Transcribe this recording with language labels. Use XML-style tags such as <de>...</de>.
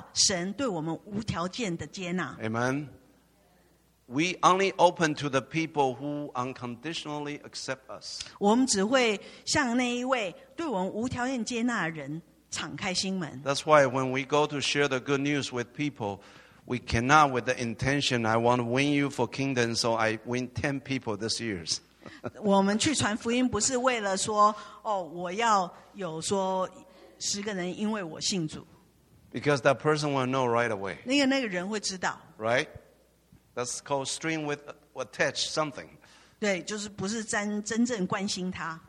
<zh>我们需要了解、体会到神对我们无条件的接纳。</zh> <en>Amen. We only open to the people who unconditionally accept us.</en> <zh>我们只会向那一位对我们无条件接纳的人。</zh> <en>That's why when we go to share the good news with people, we cannot with the intention, I want to win you for kingdom, so I win 10 people this year.</en> <zh>我们去传福音不是为了说，哦，我要有说10个人因为我信主。</zh> <en>Because that person will know right away.</en> <zh>那个人会知道。</zh> <en>Right? That's called string with attach something.</en> <zh>对，就是不是真正关心他。</zh>